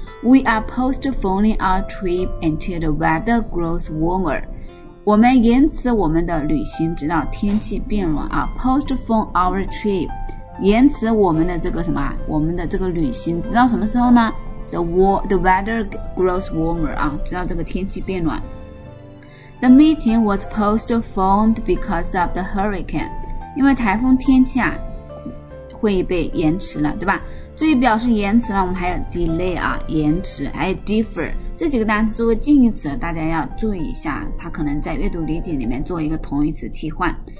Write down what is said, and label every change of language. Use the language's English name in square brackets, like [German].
[English] We are postponing our trip until the weather grows warmer. [Chinese] 我们延迟我们的旅行，直到天气变暖啊。 [English] Postpone our trip， [Chinese] 延迟我们的这个什么，我们的这个旅行，直到什么时候呢 ？ [English] The weather grows warmer [Chinese] 啊，直到这个天气变暖。 [English] The meeting was postponed because of the hurricane. [Chinese] 因为台风天气啊，会被延迟了，对吧？注意表示延迟了，我们还有 delay 啊，延迟，还有 defer 这几个单词作为近义词，大家要注意一下，它可能在阅读理解里面做一个同义词替换。